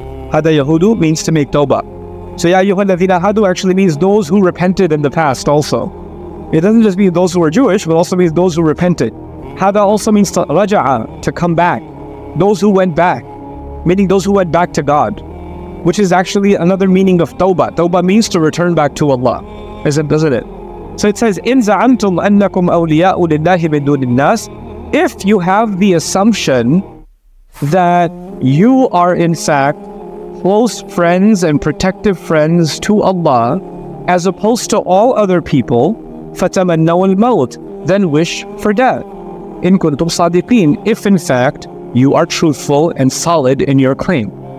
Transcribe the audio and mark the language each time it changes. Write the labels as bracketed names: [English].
[English] Hada yahudu means to make tawbah. So ya ayyuhal ladhina hadu actually means those who repented in the past also. It doesn't just mean those who are Jewish, but also means those who repented. Hada also means to raja'a, to come back. Those who went back, meaning those who went back to God. Which is actually another meaning of tawbah. Tawbah means to return back to Allah, doesn't it? So it says, [Arabic] إِن زَعَمْتُمْ أَنَّكُمْ أَوْلِيَاءُ لِلَّهِ مِنْ دُونِ النَّاسِ. [English] If you have the assumption that you are in fact close friends and protective friends to Allah, as opposed to all other people, [Arabic] فَتَمَنَّوُ الْمَوْتِ, [English] then wish for death. [Arabic] إِن كُنْتُمْ صَادِقِينَ, [English] if in fact you are truthful and solid in your claim.